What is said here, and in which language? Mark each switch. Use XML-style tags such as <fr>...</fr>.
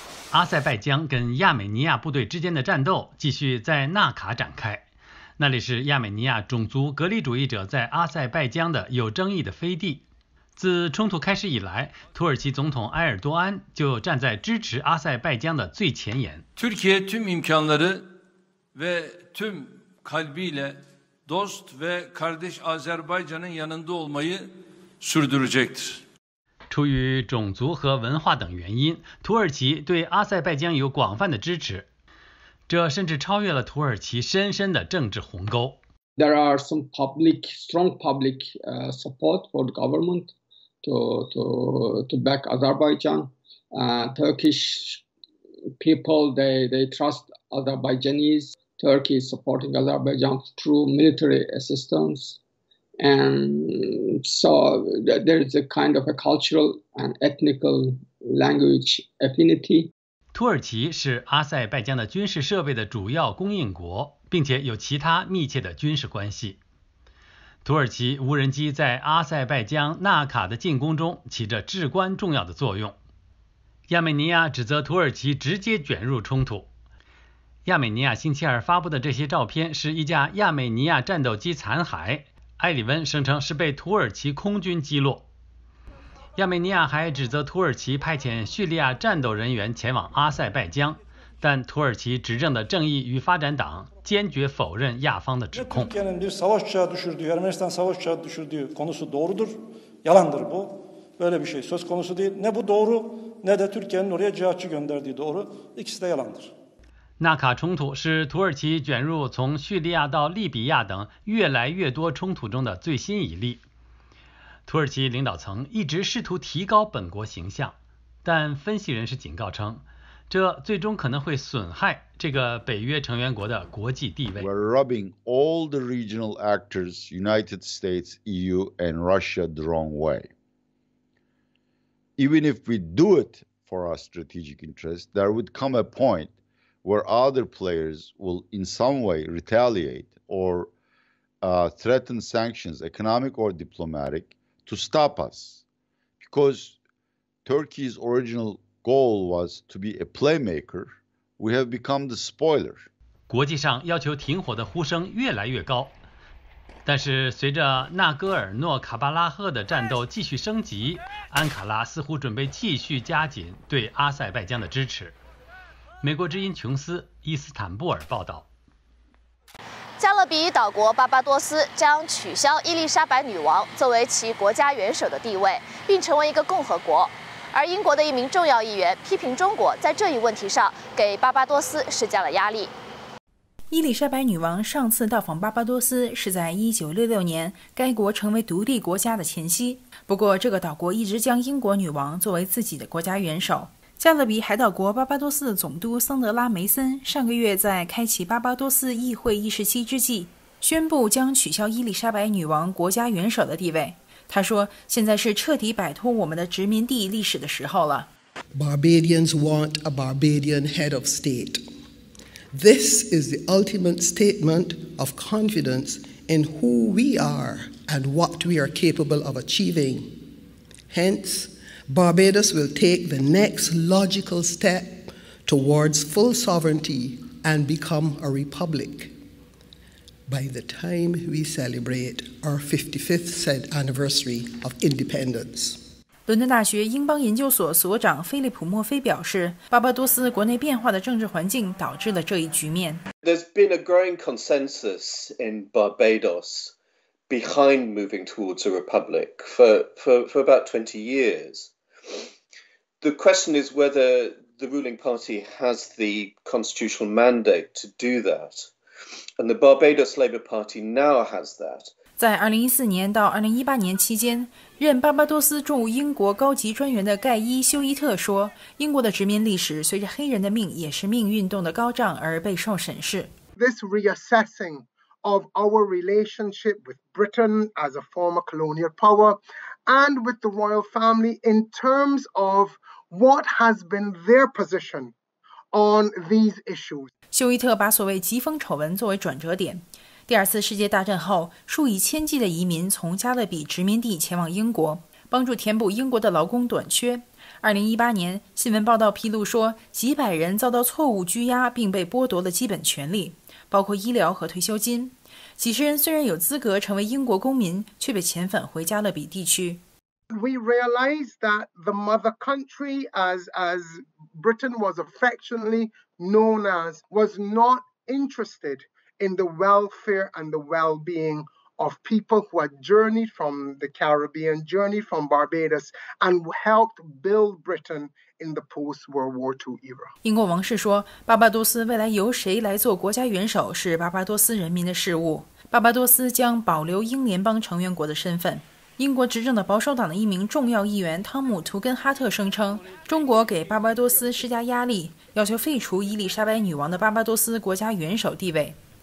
<zh>阿塞拜疆跟亚美尼亚部队之间的战斗继续在纳卡展开，那里是亚美尼亚种族隔离主义者在阿塞拜疆的有争议的飞地。自冲突开始以来，土耳其总统埃尔多安就站在支持阿塞拜疆的最前沿。</zh> <tr>Türkiye tüm imkanları ve tüm kalbiyle dost ve kardeş Azerbaycan'ın yanında olmayı sürdürecektir.</tr> <zh>出于种族和文化等原因，土耳其对阿塞拜疆有广泛的支持，这甚至超越了土耳其深深的政治鸿沟。</zh> <en>There are some public, strong public support for the government to back Azerbaijan. Turkish people they trust Azerbaijanis. Turkey is supporting Azerbaijan through military assistance, and so there is a kind of a cultural and ethnical language affinity.</en> <zh>土耳其是阿塞拜疆的军事设备的主要供应国。并且有其他密切的军事关系。土耳其无人机在阿塞拜疆纳卡的进攻中起着至关重要的作用。亚美尼亚指责土耳其直接卷入冲突。亚美尼亚星期二发布的这些照片是一架亚美尼亚战斗机残骸，埃里温声称是被土耳其空军击落。亚美尼亚还指责土耳其派遣叙利亚战斗人员前往阿塞拜疆。但土耳其执政的正义与发展党坚决否认亚方的指控。</zh> <tr>Türkiye'nin bir savaş uçağı düşürdüğü, Ermenistan savaş uçağı düşürdüğü konusu doğrudur, yalandır bu. Böyle bir şey söz konusu değil. Ne bu doğru, ne de Türkiye'nin oraya cihatçı gönderdiği doğru. İkisi de yalandır.</tr> <zh>纳卡冲突是土耳其卷入从叙利亚到利比亚等越来越多冲突中的最新一例。土耳其领导层一直试图提高本国形象，但分析人士警告称，这最终可能会损害这个北约成员国的国际地位。</zh> <en>We're rubbing all the regional actors, United States, EU, and Russia the wrong way. Even if we do it for our strategic interest, there would come a point where other players will in some way retaliate or threaten sanctions, economic or diplomatic, to stop us. Because Turkey's original goal was to be a playmaker, we have become the spoiler.</en> <zh>国际上要求停火的呼声越来越高，但是随着纳戈尔诺卡巴拉赫的战斗继续升级，安卡拉似乎准备继续加紧对阿塞拜疆的支持。美国之音琼斯·伊斯坦布尔报道。加勒比岛国巴巴多斯将取消伊丽莎白女王作为其国家元首的地位，并成为一个共和国。而英国的一名重要议员批评中国在这一问题上给巴巴多斯施加了压力。伊丽莎白女王上次到访巴巴多斯是在1966年该国成为独立国家的前夕，不过这个岛国一直将英国女王作为自己的国家元首。加勒比海岛国巴巴多斯的总督桑德拉·梅森上个月在开启巴巴多斯议会17之际宣布将取消伊丽莎白女王国家元首的地位。他说，现在是彻底摆脱我们的殖民地历史的时候了。</zh> <en>Barbadians want a Barbadian head of state. This is the ultimate statement of confidence in who we are and what we are capable of achieving. Hence, Barbados will take the next logical step towards full sovereignty and become a republic. By the time we celebrate our 55th anniversary of independence.</en> <zh>伦敦大学英邦研究所所长菲利普·莫菲表示，巴巴多斯国内变化的政治环境导致了这一局面。</zh> <en>There's been a growing consensus in Barbados behind moving towards a republic for about 20 years. The question is whether the ruling party has the constitutional mandate to do that. And the Barbados Labour Party now has that.</en> <zh>在2014年到2018年期间，任巴巴多斯驻英国高级专员的盖伊·休伊特说，英国的殖民历史随着黑人的命也是命运动的高涨而备受审视。</zh> <en>This reassessing of our relationship with Britain as a former colonial power and with the royal family in terms of what has been their position. On these issues.</en> <zh>休伊特把所谓疾风丑闻作为转折点。第二次世界大战后，数以千计的移民从加勒比殖民地前往英国，帮助填补英国的劳工短缺。 2018年，新闻报道披露说，几百人遭到错误拘押并被剥夺了基本权利，包括医疗和退休金。几十人虽然有资格成为英国公民，却被遣返回加勒比地区。</zh> <en>We realize that the mother country, as Britain was affectionately known as, was not interested in the welfare and the well-being of people who had journeyed from the Caribbean, journeyed from Barbados, and helped build Britain in the post-World War II era.</en> <zh>英国王室说，巴巴多斯未来由谁来做国家元首是巴巴多斯人民的事务。巴巴多斯将保留英联邦成员国的身份。英国执政的保守党的一名重要议员汤姆·图根哈特声称，中国给巴巴多斯施加压力，要求废除伊丽莎白女王的巴巴多斯国家元首地位。</zh>